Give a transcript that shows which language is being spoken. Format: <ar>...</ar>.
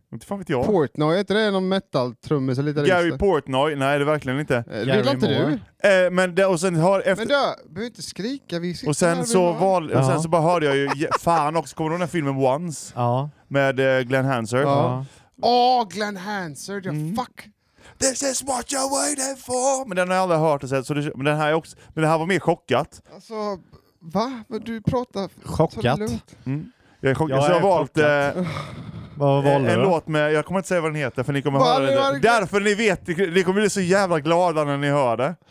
<sv>Inte fan vet jag. Portnoy, är inte det någon metal-trummis? Gary Portnoy, nej det är verkligen inte. Det vill inte du. Men då, och sen har efter... men då, behöver inte skrika. Vi och sen, så, och sen så bara hörde jag ju, fan också, kommer du den här filmen Once? Ja. Med Glenn Hansard. Ja. Åh, Glenn Hansard, fuck.</sv> <en>This is what you're waiting for.</en> <sv>Men den har jag aldrig hört. Så det, men, den här är också, men den här var mer chockat. Alltså, va? Men du pratar... Chockat. Jag är chockat. Jag så jag har valt... Vad valde en låt med, jag kommer inte säga vad den heter för ni kommer höra det. Därför ni vet, ni kommer bli så jävla glada när ni hör det.</sv>